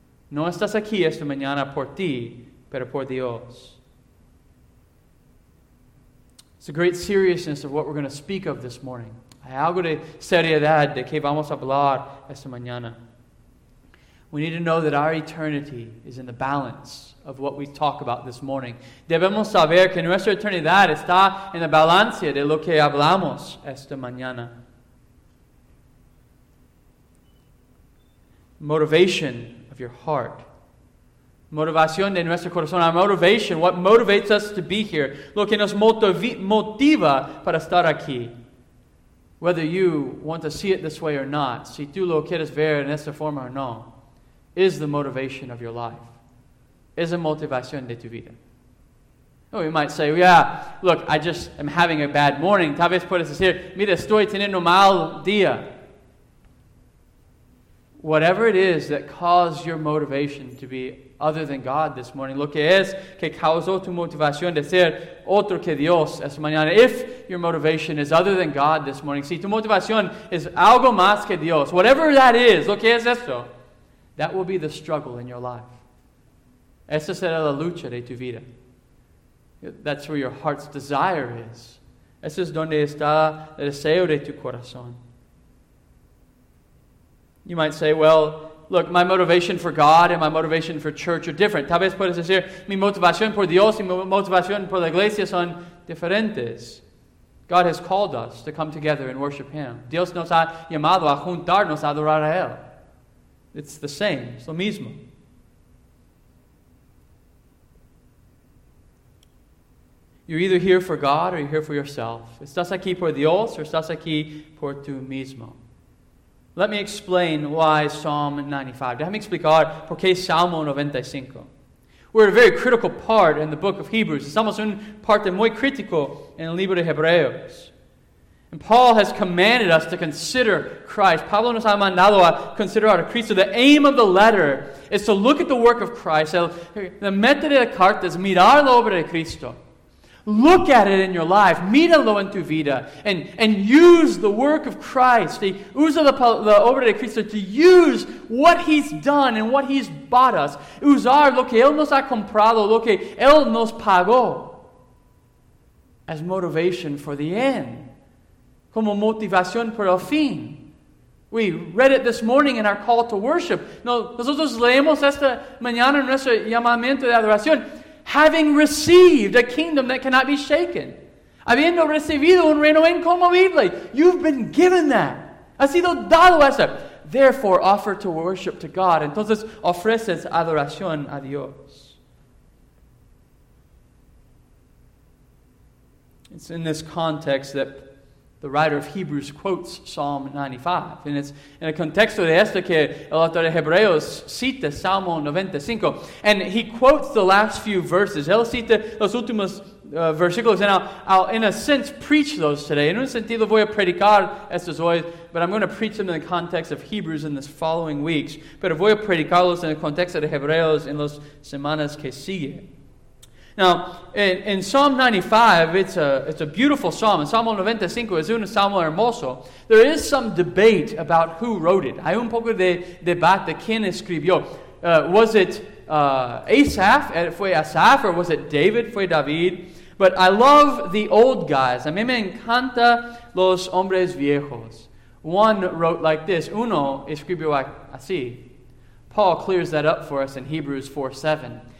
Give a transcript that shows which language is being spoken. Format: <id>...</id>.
<es>No estás aquí esta mañana por ti, pero por Dios.</es> <en>It's a great seriousness of what we're going to speak of this morning.</en> <es>Hay algo de seriedad de que vamos a hablar esta mañana.</es> <en>We need to know that our eternity is in the balance of what we talk about this morning.</en> <es>Debemos saber que nuestra eternidad está en la balanza de lo que hablamos esta mañana.</es> <en>Motivation of your heart.</en> <es>Motivación de nuestro corazón.</es> <en>Our motivation, what motivates us to be here.</en> <es>Lo que nos motiva para estar aquí.</es> <en>Whether you want to see it this way or not.</en> <es>Si tú lo quieres ver en esta forma o no.</es> <en>Is the motivation of your life.</en> <es>Es la motivación de tu vida.</es> <en>Oh, you might say, yeah, look, I just am having a bad morning.</en> <es>Tal vez puedes decir, mira, estoy teniendo mal día.</es> <en>Whatever it is that caused your motivation to be other than God this morning,</en> <es>lo que es que causó tu motivación de ser otro que Dios esta mañana,</es> <en>if your motivation is other than God this morning,</en> <es>si tu motivación es algo más que Dios,</es> <en>whatever that is,</en> <es>lo que es esto,</es> <en>that will be the struggle in your life.</en> <es>Esa será la lucha de tu vida.</es> <en>That's where your heart's desire is.</en> <es>Eso es donde está el deseo de tu corazón.</es> <en>You might say, well, look, my motivation for God and my motivation for church are different.</en> <es>Tal vez puedes decir, mi motivación por Dios y mi motivación por la iglesia son diferentes.</es> <en>God has called us to come together and worship Him.</en> <es>Dios nos ha llamado a juntarnos a adorar a Él.</es> <en>It's the same. It's</en> <es>lo mismo.</es> <en>You're either here for God or you're here for yourself.</en> <es>¿Estás aquí por Dios</es> <en>or</en> <es>estás aquí por tú mismo?</es> <en>Let me explain why Psalm 95.</en> <es>Déjame explicar por qué Salmo 95.</es> <en>We're a very critical part in the book of Hebrews.</en> <es>Estamos en parte muy crítico en el libro de Hebreos.</es> <en>And Paul has commanded us to consider Christ.</en> <es>Pablo nos ha mandado a considerar a Cristo.</es> <en>The aim of the letter is to look at the work of Christ. The</en> <es>meta de la carta es mirar la obra de Cristo.</es> <en>Look at it in your life.</en> <es>Míralo en tu vida.</es> <en>And use the work of Christ.</en> <es>Usa la obra de Cristo</es> <en>to use what He's done and what He's bought us.</en> <es>Usar lo que Él nos ha comprado, lo que Él nos pagó.</es> <en>As motivation for the end.</en> <es>Como motivación por el fin.</es> <en>We read it this morning in our call to worship.</en> <es>Nosotros leemos esta mañana en nuestro llamamiento de adoración.</es> <en>Having received a kingdom that cannot be shaken.</en> <es>Habiendo recibido un reino incomovible.</es> <en>You've been given that.</en> <es>Ha sido dado eso.</es> <en>Therefore, offer to worship to God.</en> <es>Entonces, ofreces adoración a Dios.</es> <en>It's in this context that the writer of Hebrews quotes Psalm 95. And it's in a</en> <es>contexto de esto que el autor de Hebreos cita Salmo 95.</es> <en>And he quotes the last few verses.</en> <es>Él cita los últimos versículos.</es> <en>And I'll, in a sense, preach those today.</en> <es>En un sentido, voy a predicar estos hoy.</es> <en>But I'm going to preach them in the context of Hebrews in the following weeks.</en> <es>Pero voy a predicarlos en el contexto de Hebreos en las semanas que siguen.</es> <en>Now, in Psalm 95, it's a beautiful psalm. And Psalm 95</en> <es>es un salmo hermoso.</es> <en>There is some debate about who wrote it.</en> <es>Hay un poco de debate quién escribió.</es> <en>Was it Asaph?</en> <es>Fue Asaph,</es> <en>or was it David?</en> <es>Fue David.</es> <en>But I love the old guys.</en> <es>A mí me encanta los hombres viejos.</es> <en>One wrote like this.</en> <es>Uno escribió así.</es> <en>Paul clears that up for us in Hebrews 4:7.</en>